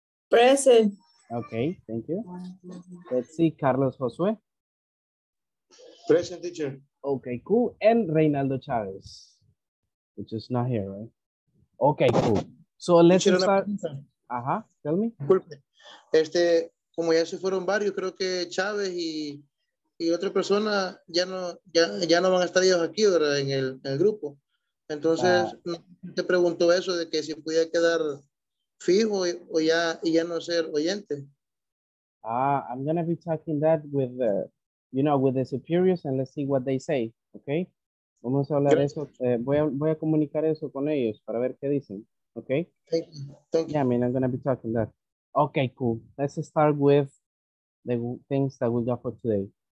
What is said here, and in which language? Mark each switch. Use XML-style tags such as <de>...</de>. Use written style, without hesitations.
<en>Present. Okay, thank you. Let's see, Carlos Josue? Present, teacher. Okay, cool. And Reynaldo Chavez, which is not here, right? Okay, cool. So let's start. Ajá, tell me.</en> <es>Este, como ya se fueron varios, creo que Chavez y otra persona ya no van a estar ellos aquí, ¿verdad? En el grupo. Entonces, te pregunto eso de que si podía quedar fijo o ya no ser oyente.</es> <en>I'm going to be talking that with the. You know, with the superiors, and let's see what they say, okay?</en> <es>Vamos a hablar eso. Voy a comunicar eso con ellos para ver qué dicen.</es> <en>Okay. Thank you. Yeah, I mean, I'm going to be talking that. Okay, cool. Let's start with the things that we got for today.</en>